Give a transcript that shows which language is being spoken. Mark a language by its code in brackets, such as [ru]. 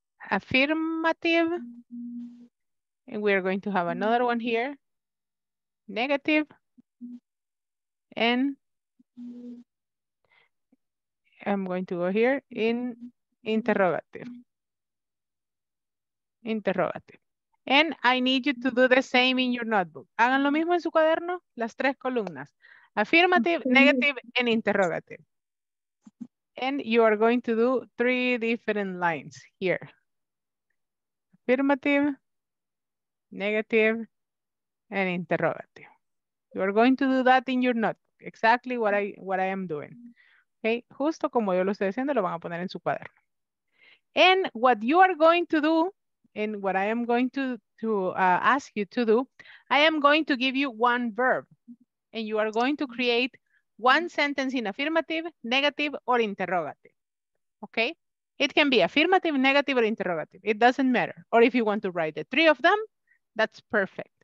[en] Affirmative. And we are going to have another one here. Negative. And I'm going to go here in interrogative. Interrogative. And I need you to do the same in your notebook. [es] Hagan lo mismo en su cuaderno, las tres columnas. [en] Affirmative, negative, and interrogative. And you are going to do three different lines here. Affirmative, negative, and interrogative. You are going to do that in your notebook. Exactly what I am doing. [es] Okay, justo como yo lo estoy haciendo, lo van a poner en su cuaderno. [en] And what you are going to do, and what I am going to ask you to do, I am going to give you one verb and you are going to create one sentence in affirmative, negative, or interrogative, okay? It can be affirmative, negative, or interrogative. It doesn't matter. Or if you want to write the three of them, that's perfect.